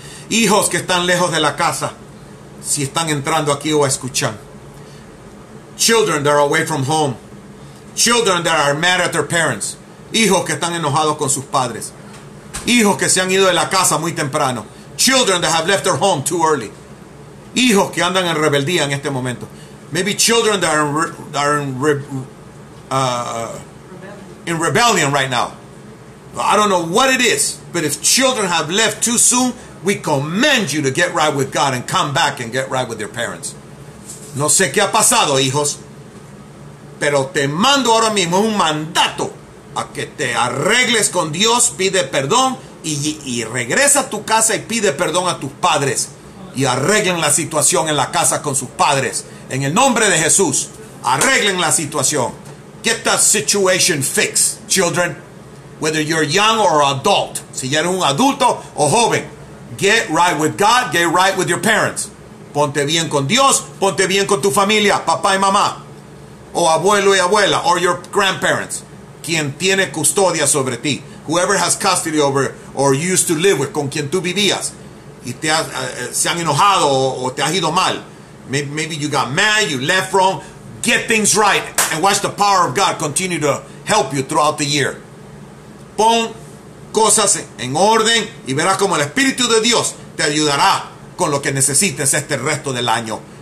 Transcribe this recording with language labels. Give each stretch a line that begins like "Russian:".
Spanish: Hijos que están lejos de la casa, si están entrando aquí o escuchan,
English: Children that are away from home. Children that are mad at their parents.
Spanish: Hijos que están enojados con sus padres. Hijos que se han ido de la casa muy temprano.
English: Children that have left their home too early.
Spanish: Hijos que andan en rebeldía en este momento.
English: Maybe children that are in rebellion right now. I don't know what it is, but if children have left too soon, we command you to get right with God and come back and get right with your parents.
Spanish: No sé qué ha pasado, hijos, pero te mando ahora mismo un mandato a que te arregles con Dios, pide perdón y regresa a tu casa y pide perdón a tus padres y arreglen la situación en la casa con sus padres. En el nombre de Jesús, arreglen la situación.
English: Get that situation fixed, children. Whether you're young or adult,
Spanish: si ya eres un adulto o joven,
English: get right with God, get right with your parents.
Spanish: Ponte bien con Dios, ponte bien con tu familia, papá y mamá, o abuelo y abuela,
English: or your grandparents,
Spanish: quien tiene custodia sobre ti,
English: whoever has custody over or you used to live with,
Spanish: con quien tú vivías, y te has, se han enojado o te has ido mal.
English: Maybe you got mad, you left wrong. Get things right and watch the power of God continue to help you throughout the year.
Spanish: Pon cosas en orden y verás como el Espíritu de Dios te ayudará con lo que necesites este resto del año.